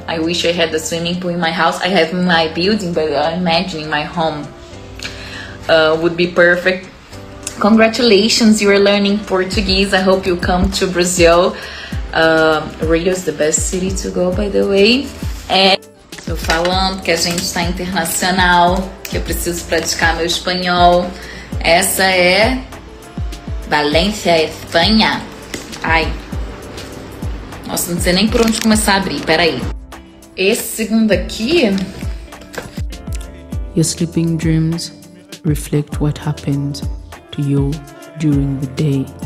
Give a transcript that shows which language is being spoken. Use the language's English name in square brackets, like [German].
[English] I wish I had a swimming pool in my house. I have my building, but I'm imagining my home would be perfect. Congratulations, you are learning Portuguese. I hope you come to Brazil. Rio is the best city to go, by the way. [Portuguese] Tô falando que a gente tá internacional, que eu preciso praticar meu espanhol. Essa é Valência, Espanha. Ai. Nossa, não sei nem por onde começar a abrir. Peraí. Esse segundo aqui. [English] Your sleeping dreams reflect what happens to you during the day.